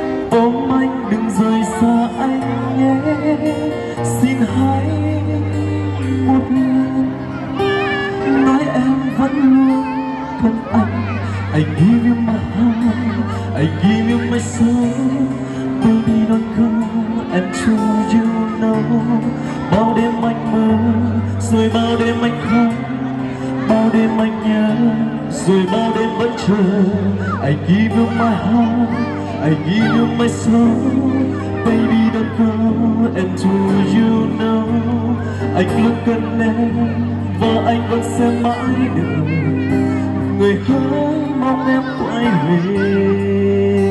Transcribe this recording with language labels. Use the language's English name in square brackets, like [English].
[Vietnamese] Ôm anh đừng rời xa anh nhé, xin hãy một lần nói em vẫn luôn cần anh. [English] I give you my heart, I give you my soul. Baby don't go, and to you know. [Vietnamese] Bao đêm anh mơ, rồi bao đêm anh khóc. Bao đêm anh nhớ, rồi bao đêm vẫn chờ. [English] I give you my heart, I give you my soul. Baby don't go, and to you know. [Vietnamese] Anh luôn cần em, và anh vẫn sẽ mãi đợi. Người hỡi mong em quay về.